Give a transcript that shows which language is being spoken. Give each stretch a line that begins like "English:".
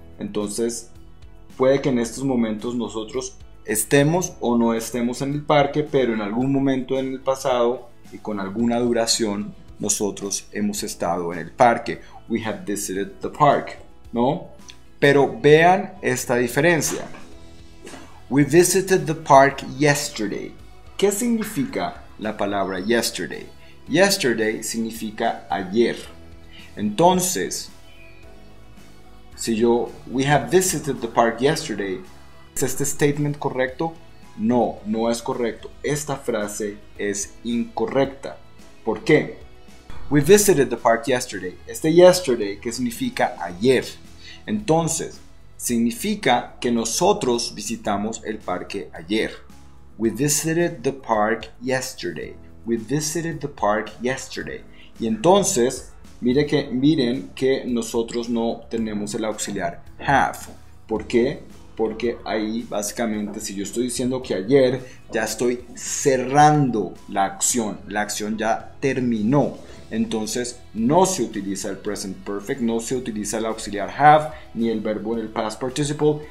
Spanish: Entonces, puede que en estos momentos nosotros estemos o no estemos en el parque, pero en algún momento en el pasado y con alguna duración, nosotros hemos estado en el parque.
English: We have visited the park,
Spanish: ¿no? Pero vean esta diferencia.
English: We visited the park yesterday.
Spanish: ¿Qué significa la palabra yesterday? Yesterday significa ayer. Entonces, si yo,
English: we have visited the park yesterday,
Spanish: ¿es este statement correcto? No, no es correcto. Esta frase es incorrecta. ¿Por qué?
English: We visited the park yesterday.
Spanish: Este yesterday, ¿qué significa ayer? Entonces, significa que nosotros visitamos el parque ayer.
English: We visited the park yesterday. We visited the park yesterday.
Spanish: Y entonces, miren que nosotros no tenemos el auxiliar have. ¿Por qué? Porque ahí, básicamente, si yo estoy diciendo que ayer, ya estoy cerrando la acción. La acción ya terminó. Entonces, no se utiliza el present perfect, no se utiliza el auxiliar have, ni el verbo en el past participle.